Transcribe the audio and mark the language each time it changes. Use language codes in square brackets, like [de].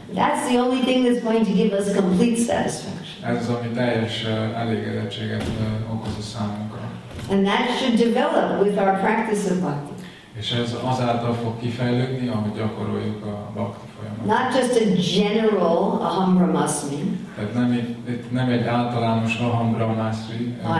[en] That's the only thing that's going to give us complete satisfaction. [hu] Ez az, ami teljes elégedettséget okoz a számunkra. [en] And that should develop with our practice of bhakti. [hu] És ez azáltal fog kifejlődni, ahogy gyakoroljuk a bhakti folyamatot. [en] Not just a general aham brahmasmi. [hu] Tehát nem egy általános aham brahmasmi.